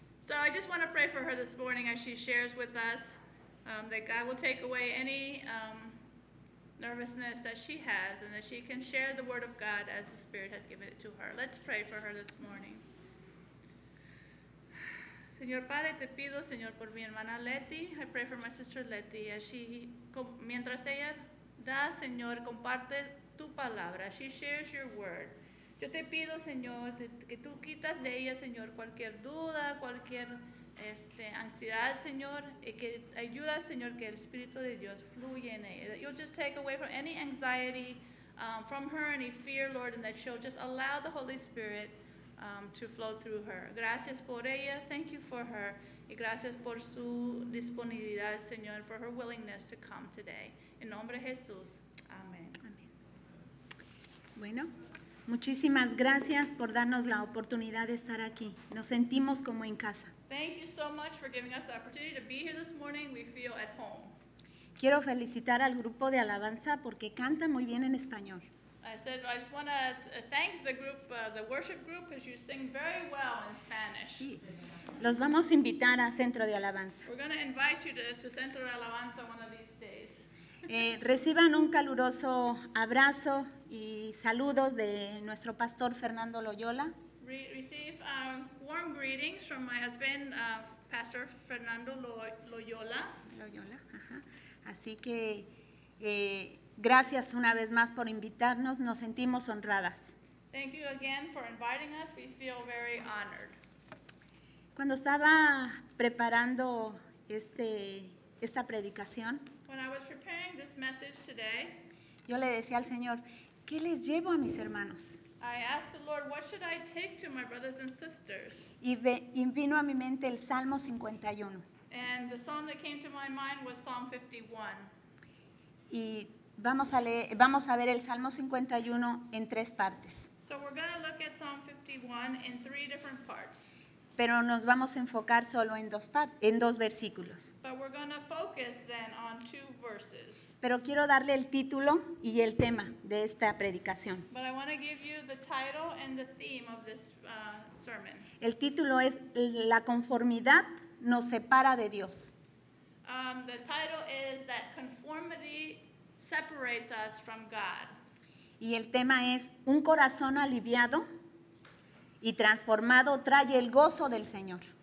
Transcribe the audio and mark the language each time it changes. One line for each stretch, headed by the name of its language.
English: So I just want to pray for her this morning as she shares with us that God will take away any nervousness that she has and that she can share the word of God as the Spirit has given it to her. Let's pray for her this morning.
Spanish: Señor Padre, te pido, Señor, por mi hermana Leti.
English: I pray for my sister Leti. As she,
Spanish: mientras ella da, Señor, comparte tu palabra.
English: She shares your word.
Spanish: Yo te pido, Señor, que tú quitas de ella, Señor, cualquier duda, cualquier ansiedad, Señor, y que ayuda, Señor, que el Espíritu de Dios fluya en ella.
English: That you'll just take away from any anxiety from her, any fear, Lord, and that she'll just allow the Holy Spirit to flow through her.
Spanish: Gracias por ella.
English: Thank you for her.
Spanish: Y gracias por su disponibilidad, Señor,
English: for her willingness to come today.
Spanish: En nombre de Jesús. Amén. Amén. Bueno. Muchísimas gracias por darnos la oportunidad de estar aquí. Nos sentimos como en casa.
English: Thank you so much for giving us the opportunity to be here this morning. We feel at home.
Spanish: Quiero felicitar al grupo de alabanza porque canta muy bien en español.
English: I just want to thank the group, the worship group, because you sing very well in Spanish.
Spanish: Sí. Los vamos a invitar a Centro de Alabanza.
English: We're going to invite you to Centro de Alabanza one of these days.
Spanish: Reciban un caluroso abrazo y saludos de nuestro pastor Fernando Loyola.
English: Receive warm greetings from my husband, Pastor Fernando Loyola.
Spanish: Loyola, ajá. Así que gracias una vez más por invitarnos. Nos sentimos honradas.
English: Thank you again for inviting us. We feel very honored.
Spanish: Cuando estaba preparando esta predicación,
English: when I was preparing this message today,
Spanish: yo le decía al Señor, ¿qué les llevo a mis hermanos?
English: I asked the Lord, what should I take to my brothers and sisters?
Spanish: Y vino a mi mente el Salmo 51.
English: And the psalm that came to my mind was Psalm 51.
Spanish: Y vamos a ver el Salmo 51 en tres partes.
English: So we're going to look at Psalm 51 in three different parts.
Spanish: Pero nos vamos a enfocar solo en dos versículos.
English: But we're going to focus then on two verses.
Spanish: Pero quiero darle el título y el tema de esta predicación.
English: But I want to give you the title and the theme of this sermon.
Spanish: El título es La conformidad nos separa de Dios.
English: The title is that conformity separates us from God.
Spanish: Y el tema es un corazón aliviado y transformado trae el gozo del Señor.